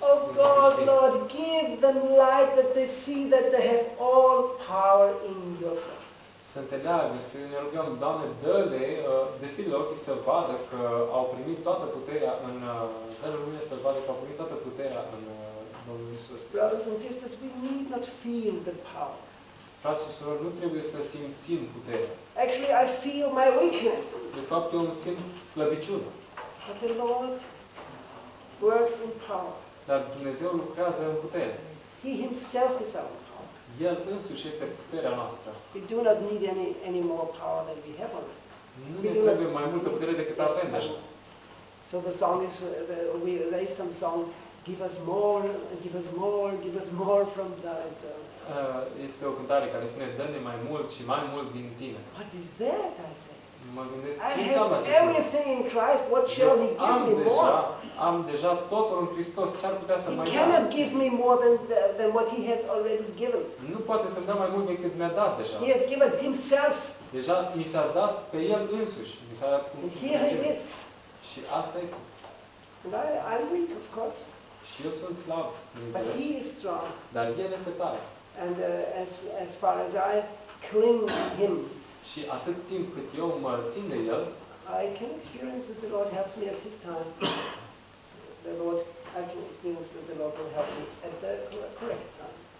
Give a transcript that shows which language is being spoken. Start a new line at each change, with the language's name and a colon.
English: Oh God, Lord, give them light that they see that they have all power in yourself.
Romanian: Să înțeleagă, să ne rugăm, Doamne, dă-le, deschide-le ochii să vadă că au primit toată puterea în lumină, să vadă că au primit toată puterea în Domnul Iisus.
English: Brothers and sisters, we need not feel the power.
Romanian: Frații și surori, nu trebuie să simțim puterea.
English: Actually, I feel my weakness.
Romanian: De fapt, eu simt slăbiciunea.
English: But the Lord works in power.
Romanian: Dar Dumnezeu lucrează în putere.
English: He himself is our.
Romanian: El însuși este puterea noastră.
English: We do not need any more power than we have already.
Romanian: Nu trebuie mai multă putere decât avem deja.
English: So the song is we lay some song, give us more from thyself.
Romanian: Este o cântare care spune dă-ne mai mult și mai mult din tine.
English: What is that, I say?
Romanian: Mă gândesc, ce înseamnă acest
English: everything in Christ, what shall he give me more?
Romanian: Am deja totul în Hristos, ce ar putea să
English: he
Romanian: mai
English: cannot give me more than what he has already given.
Romanian: Nu poate să-mi dea mai mult decât mi-a dat deja.
English: He has given himself.
Romanian: Deja mi s-a dat pe el însuși. Mi s-a dat cum
English: and here he is.
Romanian: Și asta este.
English: And I'm weak, of course.
Romanian: Și eu sunt slab,
English: but he is strong.
Romanian: Dar el este tare.
English: And as far as I cling to him,
Romanian: și atât timp cât eu mă țin de el,
English: I can experience that the Lord helps me at this time. The Lord, I can experience that the Lord will help me at the correct time.